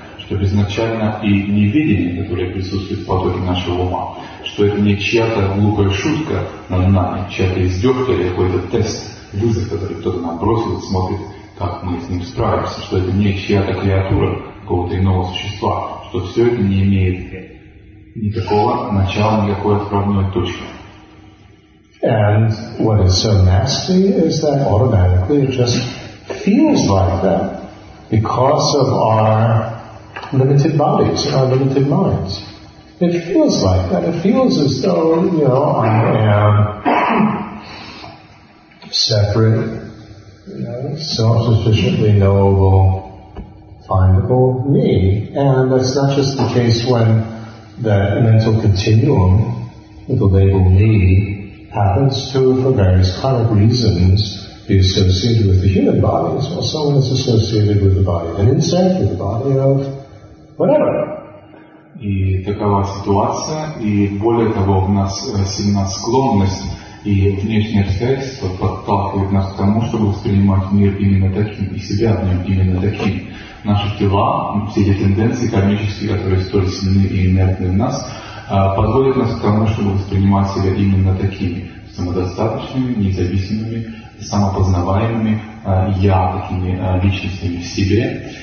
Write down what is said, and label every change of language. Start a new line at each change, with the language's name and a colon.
Russian: что безначально и невидение, которое присутствует в потоке нашего ума, что это не чья-то глупая шутка над нами, чья-то издевка или какой-то тест, вызов, который кто-то нам бросил, смотрит, как мы с ним справимся, что это не чья-то креатура какого-то иного существа, что все это не имеет никакого начала, никакой отправной точки.
English: And what is so nasty is that automatically it just feels like that because of our limited bodies, our limited minds. It feels like that. It feels as though, you know, I am separate, you know, self-sufficiently knowable, findable me. And that's not just the case when that mental continuum with the label me happens to, for various kind of reasons, be associated with the human body. It's also when it's associated with the body of an insect, with the body of whatever.
Russian: И такова ситуация, и более того, у нас сильна склонность и внешние обстоятельства подталкивают нас к тому, чтобы воспринимать мир именно таким и себя в нем именно таким. Наши тела, все эти тенденции кармические, которые столь сильны и инертны в нас, подводят нас к тому, чтобы воспринимать себя именно такими, самодостаточными, независимыми, самопознаваемыми я, такими личностями в себе.